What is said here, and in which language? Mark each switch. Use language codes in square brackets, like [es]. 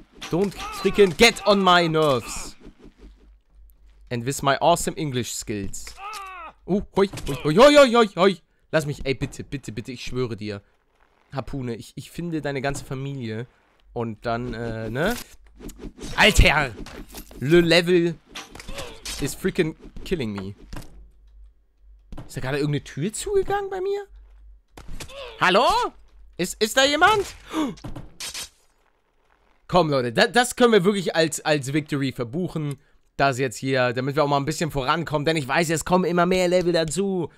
[en] Don't freaking get on my nerves. And with my awesome English skills. Hoi, hoi, hoi, hoi, hoi, hoi, hoi. [de] Lass mich, ey, bitte, bitte, bitte, ich schwöre dir. Harpune, ich finde deine ganze Familie. Und dann, ne? Alter! [en] Le Level is freaking killing me. [de] Ist da gerade irgendeine Tür zugegangen bei mir? Hallo? Ist da jemand? Komm, Leute, das können wir wirklich als Victory verbuchen. Das jetzt hier, damit wir auch mal ein bisschen vorankommen. Denn ich weiß, es kommen immer mehr Level dazu.